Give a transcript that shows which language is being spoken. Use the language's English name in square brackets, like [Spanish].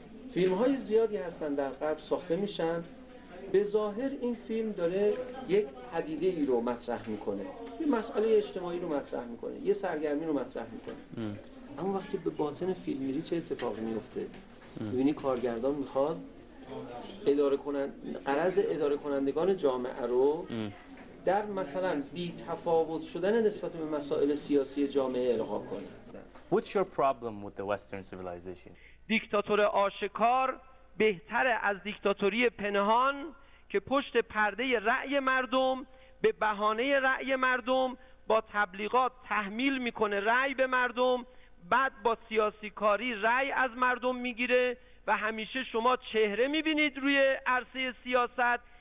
[Persian] فیلم های زیادی هستن در غرب ساخته میشن، به ظاهر این فیلم داره یک پدیده ای رو مطرح میکنه، یه مسئله اجتماعی رو مطرح میکنه، یه سرگرمی رو مطرح میکنه. اما وقتی به باطن فیلم میری چه اتفاقی میفته؟ ببینی کارگردان میخواد اداره کننده، غرض اداره کنندگان جامعه رو در مثلا بی تفاوت شدن نسبت به مسائل سیاسی جامعه القا کنه. [English] What's your problem with the western civilization? [Persian] دیکتاتور آشکار بهتره از دیکتاتوری پنهان که پشت پرده رأی مردم به بهانه رأی مردم با تبلیغات تحمیل میکنه رأی به مردم، بعد با سیاسی کاری رأی از مردم میگیره و همیشه شما چهره میبینید روی عرصه سیاست.